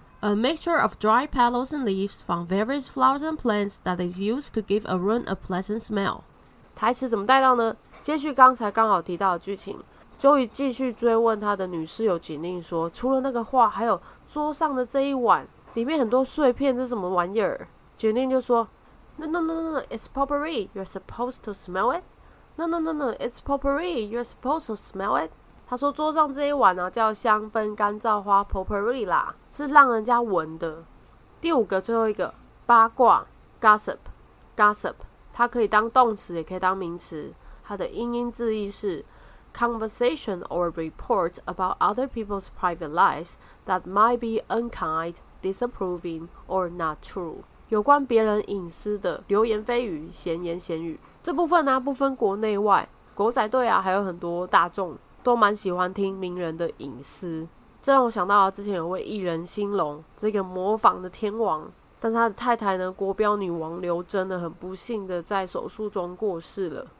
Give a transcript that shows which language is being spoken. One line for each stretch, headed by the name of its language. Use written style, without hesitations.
English: A mixture of dry petals and leaves from various flowers and plants that is used to give a room a pleasant smell.
Chinese: 台词怎么带到呢？接续刚才刚好提到的剧情 ，Joey 继续追问他的女室友锦令说：“除了那个画，还有桌上的这一碗，里面很多碎片，这是什么玩意儿？” 锦令就说
English: ：“No, it's potpourri. You're supposed to smell it.” No, it's potpourri. You're supposed to smell it.
Chinese: 他说桌上这一碗啊叫香氛干燥花 potpourri 啦，是让人家闻的。第五个，最后一个八卦 gossip， 它可以当动词，也可以当名词。它的英音字义是
English: conversation or report about other people's private lives that might be unkind, disapproving, or not true.
Chinese: 有关别人隐私的流言蜚语、闲言闲语。这部分呢、啊，不分国内外，狗仔队啊，还有很多大众都蛮喜欢听名人的隐私。这让我想到、啊、之前有位艺人兴隆，这个模仿的天王，但他的太太呢，国标女王刘真呢，很不幸的在手术中过世了。